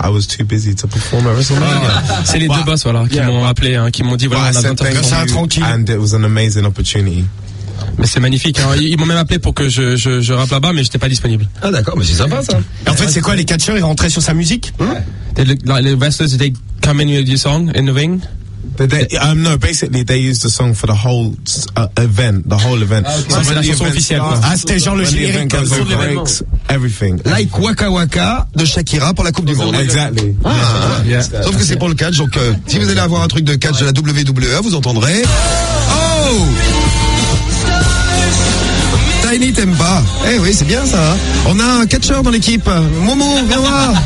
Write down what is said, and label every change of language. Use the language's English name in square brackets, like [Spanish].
[English] I was too busy to perform at WrestleMania. [French] C'est les deux boss, voilà, qui m'ont appelé, hein, qui m'ont dit, voilà, on a [English] l'interview. And it was an amazing opportunity. [French] Mais c'est magnifique. Alors, ils m'ont même appelé pour que je rappe là-bas, mais j'étais pas disponible. Ah d'accord, mais c'est sympa ça. Et en fait, c'est quoi, les catcheurs, ils rentraient sur sa musique? Ouais. [English] Les wrestlers, they come in with your song in the ring? Basically they used the song for the whole event. The whole event. [French] Okay. So c'est la chanson officielle. Ah, c'était genre le générique. [English] The event breaks everything. Like [French] Waka Waka de Shakira pour la Coupe du Monde. [English] Exactly. [French] Ah. Yeah. Sauf que c'est pour le catch. Donc si vous allez avoir un truc de catch de la WWE, vous entendrez. Oh! Tiny Tempa. Eh oui, c'est bien ça. On a un catcheur dans l'équipe. Momo, viens voir.